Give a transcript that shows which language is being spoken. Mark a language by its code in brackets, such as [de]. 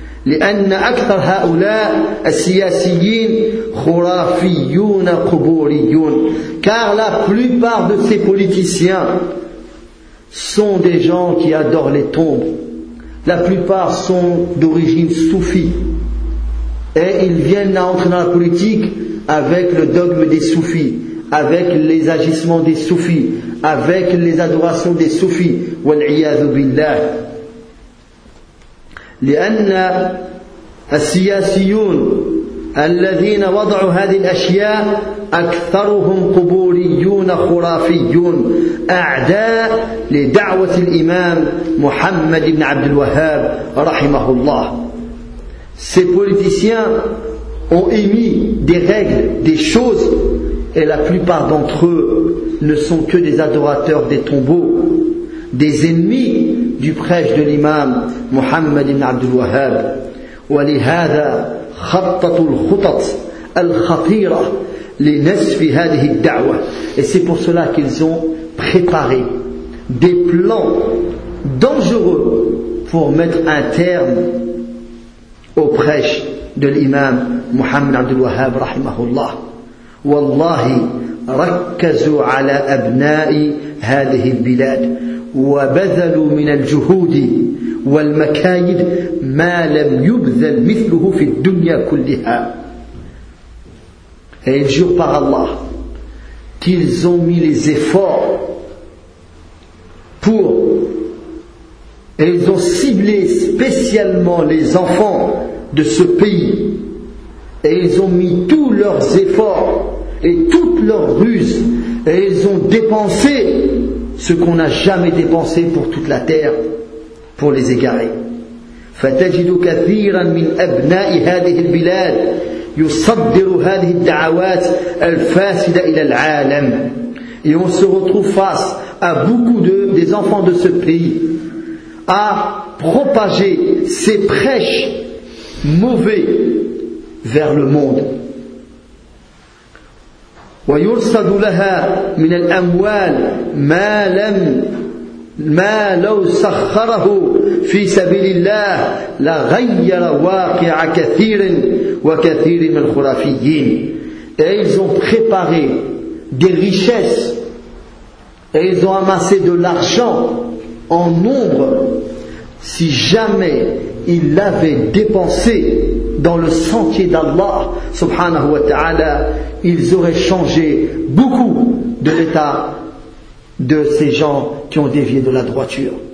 [ar] لأن أكثر هؤلاء السياسيين خرافيون قبوريون, [fr] car la plupart de ces politiciens sont des gens qui adorent les tombes. La plupart sont d'origine soufie et ils viennent à entrer dans la politique avec le dogme des soufis, avec les agissements des soufis, avec les adorations des soufis. [ar] والعياذ بالله. لأن السياسيون الذين وضعوا هذه الأشياء أكثرهم قبوريون خرافيون أعداء لدعوة الإمام محمد بن عبد الوهاب رحمه الله. [fr] Ces politiciens ont émis des règles, des choses, et la plupart d'entre eux ne sont que des adorateurs des tombeaux, des ennemis du prêche de l'imam Muhammad ibn Abdul Wahhab. [ar] ولهذا خطط الخطط الخطيرة لنسف هذه الدعوة. [fr] Et c'est pour cela qu'ils ont préparé des plans dangereux pour mettre un terme au prêche de l'imam Muhammad Abdul Wahhab rahimahullah. [ar] والله ركزوا على أبناء هذه البلاد وبذلوا من الجهود والمكايد ما لم يبذل مثله في الدنيا كلها. [fr] Et ils jurent par Allah qu'ils ont mis les efforts pour, et ils ont ciblé spécialement les enfants de ce pays, et ils ont mis tous leurs efforts et toutes leurs ruses, et ils ont dépensé ce qu'on n'a jamais dépensé pour toute la terre pour les égarer. [ar] فتجد كثيرا من أبناء هذه البلاد يصدر هذه الدعوات الفاسدة إلى العالم. [fr] Et on se retrouve face à beaucoup des enfants de ce pays à propager ces prêches mauvais vers le monde. [ar] ويرصد لها من الأموال ما لم ما لو سخره في سبيل الله لغير واقع كثير وكثير من الخرافيين. [fr] Et ils ont préparé des richesses et ils ont amassé de l'argent en nombre. Si jamais ils l'avaient dépensé dans le sentier d'Allah subhanahu wa ta'ala, ils auraient changé beaucoup de l'état de ces gens qui ont dévié de la droiture.